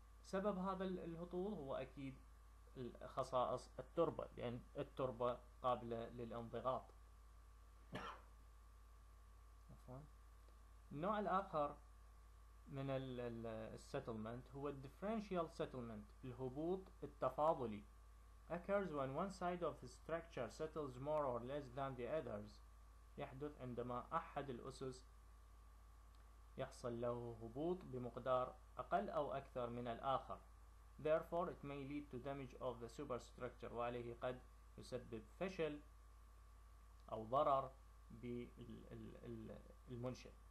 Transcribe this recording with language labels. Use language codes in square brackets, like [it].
[ar] سبب هذا الهطول هو أكيد خصائص التربة، لأن التربة قابلة للانضغاط. النوع الآخر من السيتلمنت هو الديفرنشال سيتلمنت، الهبوط التفاضلي. [en] occurs when one side of the structure settles more or less than the others. [ar] يحدث عندما أحد الأسس يحصل له هبوط بمقدار أقل أو أكثر من الآخر. [en] therefore it may lead to damage of the superstructure، [ar] وعليه قد يسبب فشل أو ضرر بالمنشأ.